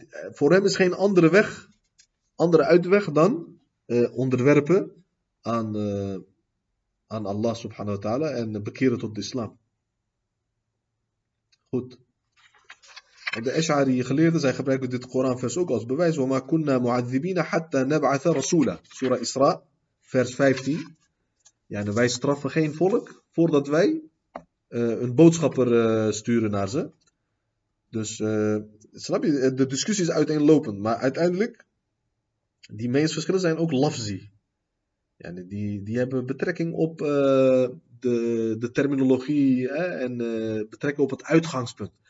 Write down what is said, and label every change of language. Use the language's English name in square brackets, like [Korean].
[Dutch] Voor hem is geen andere weg, andere uitweg dan onderwerpen aan Allah subhanahu wa ta'ala en bekeren tot de islam. Goed. De Ash'ari geleerden, zij gebruiken dit Koranvers ook als bewijs. [Arabic] وَمَا كُنَّا مُعَذِّبِينَ حَتَّى نَبْعَثَ رَسُولًا Surah Isra, vers 15. [Dutch] Ja, en wij straffen geen volk voordat wij een boodschapper sturen naar ze. Dus, snap je, de discussie is uiteenlopend. Maar uiteindelijk, die meningsverschillen zijn ook lafzi. Ja, die hebben betrekking op de terminologie en betrekking op het uitgangspunt.